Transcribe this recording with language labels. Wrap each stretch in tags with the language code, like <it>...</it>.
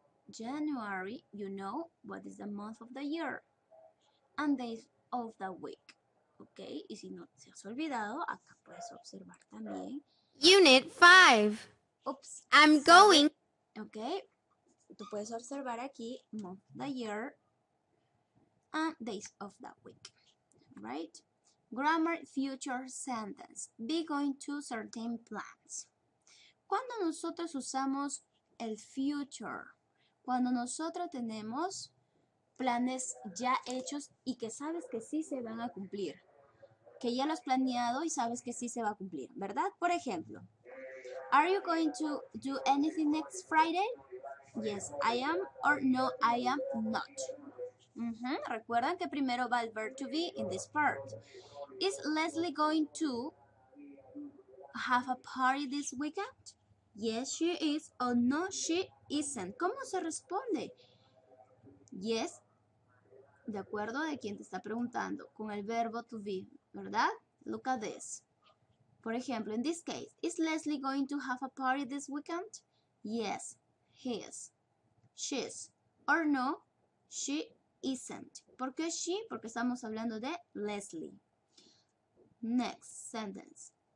<en>January, you know what is the month of the year. And days of the week.</en> <es>Okay, y si no te has olvidado, acá puedes observar también.</es> <en>Unit 5. Oops, I'm going.</en> <es>Ok, tú puedes observar aquí</es> <en>month, the year, and days of the week. Right? Grammar, future sentence. Be going to certain plans.</en> <es>Cuando nosotros usamos el future, cuando nosotros tenemos planes ya hechos y que sabes que sí se van a cumplir, que ya lo has planeado y sabes que sí se va a cumplir, ¿verdad? Por ejemplo,</es> <en>are you going to do anything next Friday? Yes, I am, or no, I am not.</en> <es>Recuerden que primero va el</es> <en>verb to be in this part. Is Leslie going to have a party this weekend? Yes, she is, or no, she isn't.</en> <es>¿Cómo se responde? Yes, de acuerdo de quien te está preguntando, con el verbo to be, ¿verdad?</es> <en>Look at this.</en> <es>Por ejemplo,</es> <en>in this case, is Leslie going to have a party this weekend? Yes, he is. She is. Or no, she isn't.</en> <es>¿Por qué</es> <en>she?</en> <es>Porque estamos hablando de Leslie.</es> <en>Next sentence.</en>